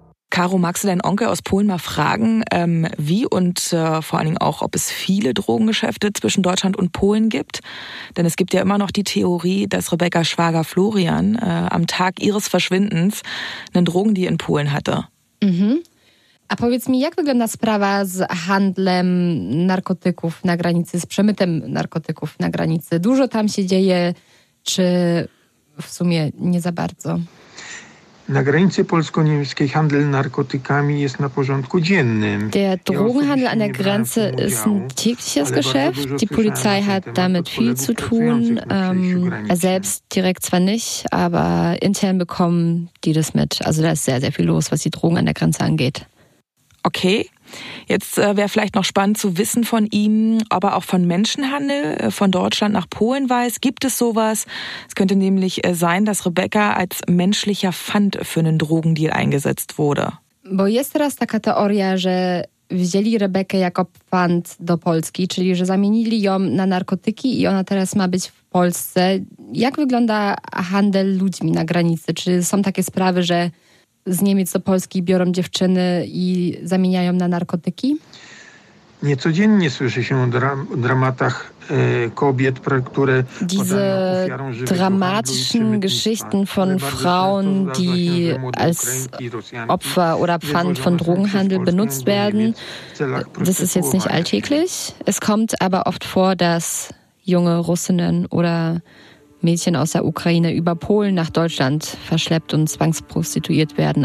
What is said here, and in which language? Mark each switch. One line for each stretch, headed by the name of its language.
German: Caro, magst du deinen Onkel aus Polen mal fragen, wie und vor allen Dingen auch, ob es viele Drogengeschäfte zwischen Deutschland und Polen gibt? Denn es gibt ja immer noch die Theorie, dass Rebeccas Schwager Florian am Tag ihres Verschwindens einen Drogendeal in Polen hatte. Mhm.
Polish: A powiedz mi, jak wygląda sprawa z handlem narkotyków na granicy, z przemytem narkotyków na granicy? Dużo tam się dzieje, czy w sumie nie za bardzo? Na granicy polsko-niemieckiej handel narkotykami jest na porządku dziennym.
German: Der Drogenhandel an der Grenze ist ein tägliches Geschäft. Die Polizei hat damit viel zu tun. Selbst direkt zwar nicht, aber intern bekommen die das mit. Also da ist sehr, sehr viel los, was die Drogen an der Grenze angeht. Okay. Jetzt wäre vielleicht noch spannend zu wissen von ihm, ob er auch von Menschenhandel von Deutschland nach Polen weiß. Gibt es sowas? Es könnte nämlich sein, dass Rebecca als menschlicher Pfand für einen Drogendeal eingesetzt wurde.
Polish: Bo jest teraz taka teoria, że wzięli Rebekę jako Pfand do Polski, czyli że zamienili ją na narkotyki i ona teraz ma być w Polsce. Jak wygląda handel ludźmi na granicy? Czy są takie sprawy, że z Niemiec do Polski biorą dziewczyny i zamieniają na narkotyki? Niecodziennie słyszy się o dramatach kobiet, które
German: diese dramatischen Geschichten von Frauen, die als Opfer oder Pfand von Drogenhandel benutzt werden. Das ist jetzt nicht alltäglich. Es kommt aber oft vor, dass junge Russinnen oder Mädchen aus der Ukraine über Polen nach Deutschland verschleppt und zwangsprostituiert werden.